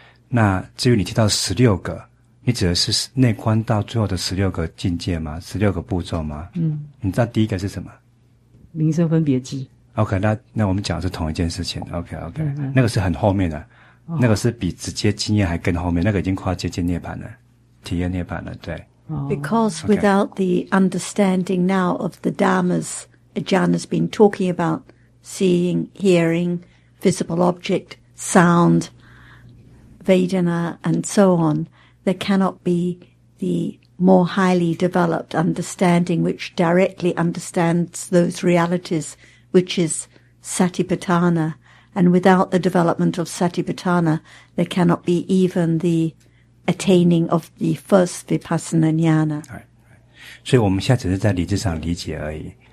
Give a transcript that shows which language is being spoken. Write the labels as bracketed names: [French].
[Chinese] 那至于你提到16个，你指的是内观到最后的16个境界吗？ 16个步骤吗？嗯，你知道第一个是什么？名声分别智。 OK， 那我们讲的是同一件事情。OK，OK，那个是很后面的，那个是比直接经验还更后面，那个已经快要接近涅槃了，体验涅槃了。对。 [English] Because without the understanding now of the dharmas, Ajahn has been talking about seeing, hearing, visible object, sound, Vedana, and so on, there cannot be the more highly developed understanding which directly understands those realities, which is Satipatthana. And without the development of Satipatthana, there cannot be even the attaining of the first Vipassana Jnana. Right. [Chinese] 所以我们现在只是在理智上理解而已。